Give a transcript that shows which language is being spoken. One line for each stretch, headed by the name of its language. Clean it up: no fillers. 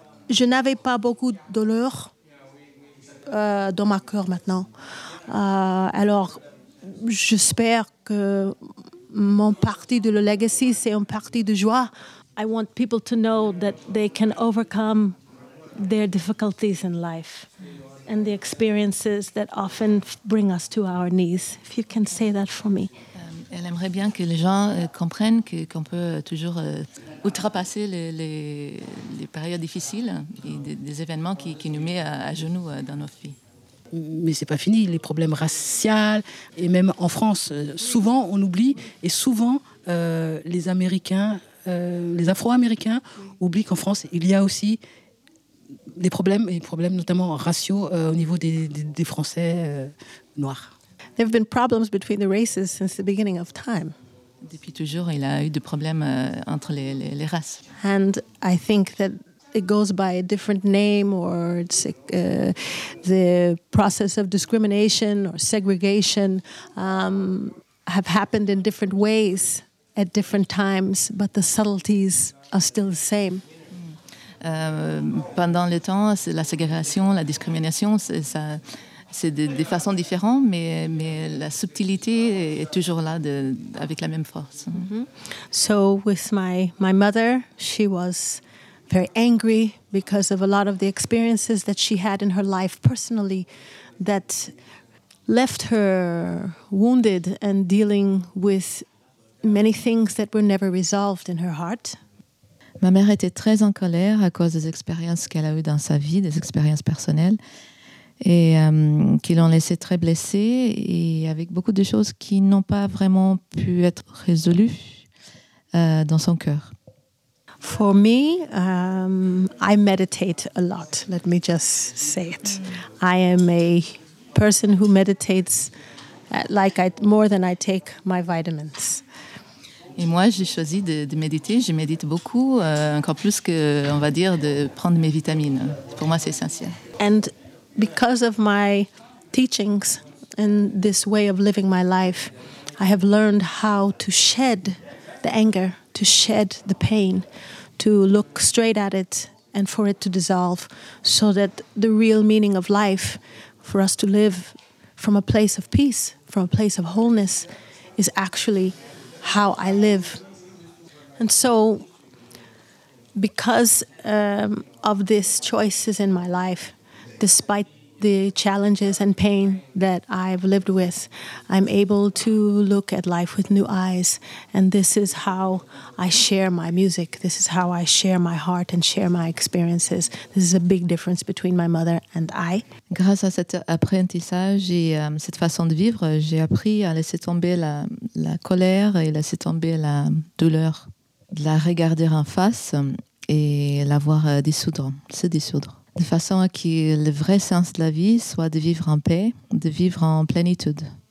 French: Je n'avais pas beaucoup de douleur dans mon cœur maintenant. Alors, j'espère que mon partie de le legacy, c'est une partie de joie.
English: I want people to know that they can overcome their difficulties in life and the experiences that often bring us to our knees. If you can say that for me.
French: Elle aimerait bien que les gens comprennent qu'on peut toujours outrepasser les périodes difficiles et des événements qui nous mettent à genoux dans notre vie. Mais ce n'est pas fini, les problèmes raciaux, et même en France, souvent on oublie, et souvent les Américains, les Afro-Américains oublient qu'en France, il y a aussi des problèmes, et des problèmes notamment raciaux au niveau des Français noirs.
English: There have been problems between the races since the beginning of time.
French: Depuis toujours, il a eu des problèmes entre les races.
English: And I think that it goes by a different name, or it's the process of discrimination or segregation have happened in different ways at different times, but the subtleties are still the same.
French: Pendant le temps, la ségrégation, la discrimination, ça. C'est des façons différentes, mais la subtilité est toujours là, avec la même force. Mm-hmm.
English: So with my mother, she was very angry because of a lot of the experiences that she had in her life personally that left her wounded and dealing with many things that were never resolved in her heart.
French: Ma mère était très en colère à cause des expériences qu'elle a eues dans sa vie, des expériences personnelles. Et qui l'ont laissé très blessée et avec beaucoup de choses qui n'ont pas vraiment pu être résolues dans son cœur.
English: For me, I meditate a lot. Let me just say it. I am a person who meditates more than I take my vitamins.
French: Et moi, j'ai choisi de méditer. Je médite beaucoup, encore plus que, on va dire, de prendre mes vitamines. Pour moi, c'est essentiel.
English: And because of my teachings and this way of living my life, I have learned how to shed the anger, to shed the pain, to look straight at it and for it to dissolve, so that the real meaning of life, for us to live from a place of peace, from a place of wholeness, is actually how I live. And so, because of these choices in my life, despite the challenges and pain that I've lived with, I'm able to look at life with new eyes. And this is how I share my music. This is how I share my heart and share my experiences. This is a big difference between my mother and I.
French: Grâce à cet apprentissage et cette façon de vivre, j'ai appris à laisser tomber la colère et laisser tomber la douleur, de la regarder en face et la voir se dissoudre. De façon à que le vrai sens de la vie soit de vivre en paix, de vivre en plénitude.